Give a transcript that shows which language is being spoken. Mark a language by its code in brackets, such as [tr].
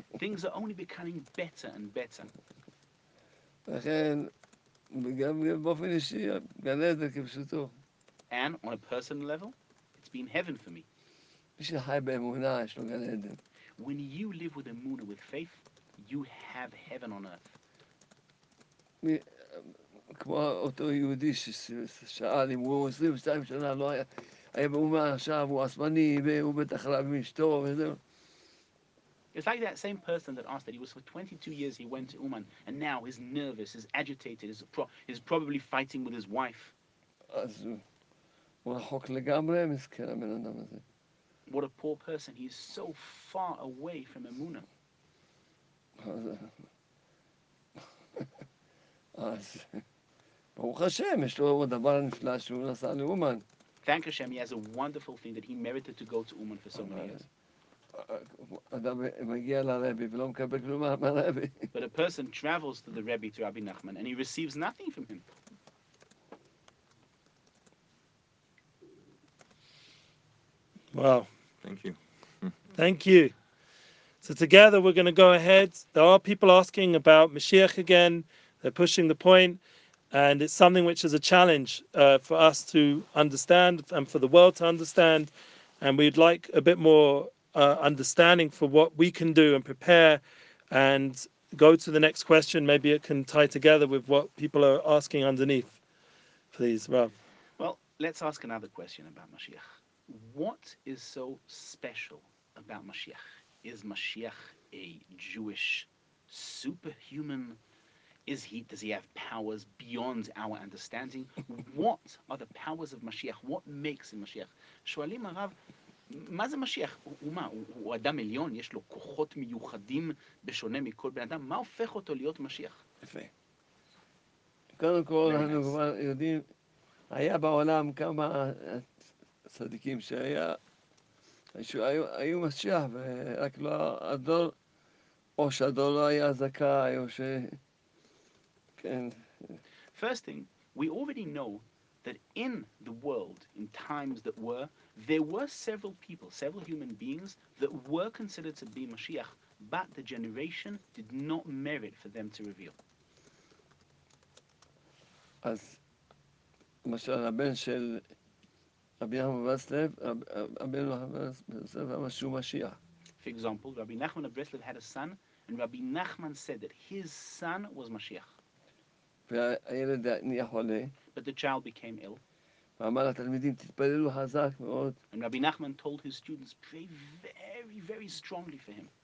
[en] Things are only becoming better and better. [he] לכן, וגם באופן אישי, גן עדן כפשוטו. [en] And on a personal level, it's been heaven for me. [he] מי שחי באמונה, יש לו גן עדן. [en] When you live with emunah, with faith, you have heaven on earth. [he] כמו אותו יהודי ששאל אם הוא 22 שנה לא היה באומה עכשיו, הוא עצמני, הוא בטח רב עם אשתו וזהו. [en] It's like that same person that asked that he was for 22 years he went to Uman and now he's nervous, he's agitated, he's probably fighting with his wife. What a poor person, he's so far away from Emunah. Baruch Hashem, [he] יש לו דבר נפלא שהוא נסע לאומן. [en] Thank Hashem, he has a wonderful thing that he merited to go to Uman for so many years. [he] אדם מגיע לרבי ולא מקבל כלום מהרבי. [en] But a person travels to the Rebbe, to Rabbi Nachman, and he receives nothing from him. Wow. Thank you. Thank you. So together we're going to go ahead. There are people asking about Mashiach again. They're pushing the point. And it's something which is a challenge for us to understand and for the world to understand. And we'd like a bit more understanding for what we can do and prepare and go to the next question. Maybe it can tie together with what people are asking underneath. Please, Rav. Well, let's ask another question about Mashiach. What is so special about Mashiach? Is Mashiach a Jewish superhuman? Does he have powers beyond our understanding? What are the powers of Mashiach? What makes him Mashiach? Shualim Rav, [he] מה זה משיח? הוא אדם עליון, יש לו כוחות מיוחדים בשונה מכל בן אדם, מה הופך אותו להיות משיח? יפה. קודם כל, אנחנו כבר יודעים, היה בעולם כמה צדיקים שהיו משיח, ורק לא הדור, או שהדור לא היה זכאי, או ש... כן. [en] First thing, we already know that in the world, in times that were, there were several people, several human beings, that were considered to be Mashiach, but the generation did not merit for them to reveal. [he] As, למשל, הבן של רבי נחמן ברסלב, הבן של רבי נחמן משיח. [en] For example, Rabbi Nachman of Breslev had a son, and Rabbi Nachman said that his son was Mashiach. [he] והילד נהיה חולה. [en] But the child became ill. And Rabbi Nachman told his students, pray very, very strongly for him.